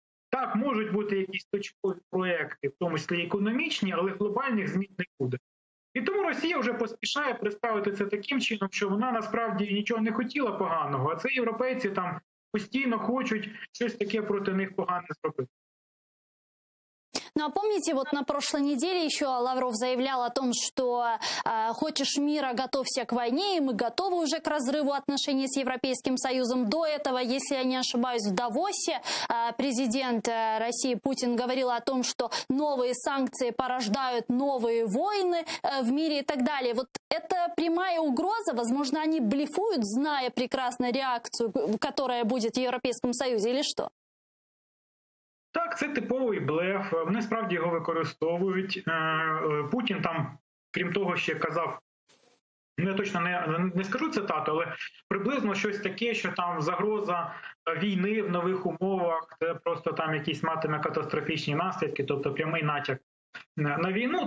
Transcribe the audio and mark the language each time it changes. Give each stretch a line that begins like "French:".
Ukrainian: Так, можуть бути якісь точкові проекти, в тому числі економічні, але глобальних змін не буде. І тому Росія вже поспішає представити це таким чином, що вона насправді нічого не хотіла поганого, а це європейці там постійно хочуть щось таке проти них погане зробити.
Russian: Ну а помните, вот на прошлой неделе еще Лавров заявлял о том, что хочешь мира, готовься к войне, и мы готовы уже к разрыву отношений с Европейским Союзом. До этого, если я не ошибаюсь, в Давосе президент России Путин говорил о том, что новые санкции порождают новые войны в мире и так далее. Вот это прямая угроза, возможно, они блефуют, зная прекрасно реакцию, которая будет в Европейском Союзе или что?
Ukrainian: Так, це типовий блеф. Вони справді його використовують. Путін там, крім того, ще казав, я точно не скажу цитату, але приблизно щось таке, що там загроза війни в нових умовах, це просто там якісь матиме катастрофічні наслідки, тобто прямий натяк на війну.